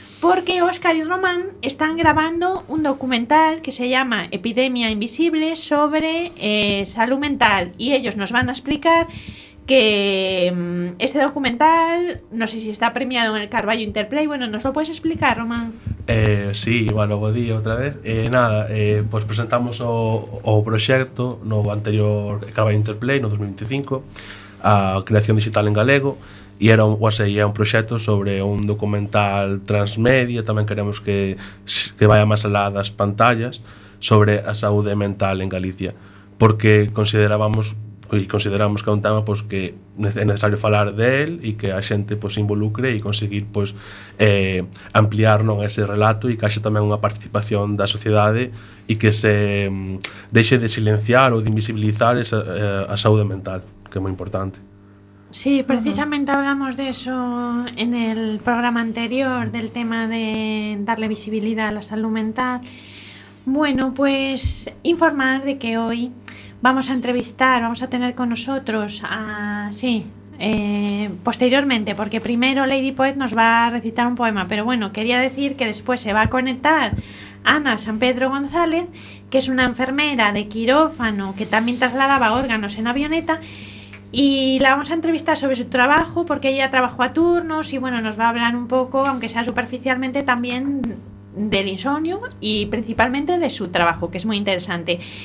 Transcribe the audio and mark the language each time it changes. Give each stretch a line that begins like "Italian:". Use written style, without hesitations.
Spanish: Porque Oscar y Román están grabando un documental que se llama Epidemia Invisible sobre salud mental. Y ellos nos van a explicar que este documental, no sé si está premiado en el Carballo Interplay. Bueno, ¿nos lo puedes explicar, Román? Sí, bueno, buen día otra vez.
Galician: Pues presentamos o proxecto no anterior Carballo Interplay, no 2025, a creación digital en galego, e era un proxecto sobre un documental transmedia, tamén queremos que vaya máis alá das pantallas, sobre a saúde mental en Galicia, porque consideramos que é un tema pois, que é necesario falar dele e que a xente pois, involucre e conseguir pois, ampliar non ese relato e que haxe tamén unha participación da sociedade e que se deixe de silenciar ou de invisibilizar a saúde mental, que é moi importante.
Spanish: Sí, precisamente hablamos de eso en el programa anterior, del tema de darle visibilidad a la salud mental. Bueno, pues informar de que hoy... vamos a tener con nosotros a... Sí, posteriormente, porque primero Lady Poet nos va a recitar un poema, pero bueno, quería decir que después se va a conectar Ana San Pedro González, que es una enfermera de quirófano que también trasladaba órganos en avioneta, y la vamos a entrevistar sobre su trabajo, porque ella trabajó a turnos y bueno, nos va a hablar un poco, aunque sea superficialmente, también del insomnio y principalmente de su trabajo, que es muy interesante.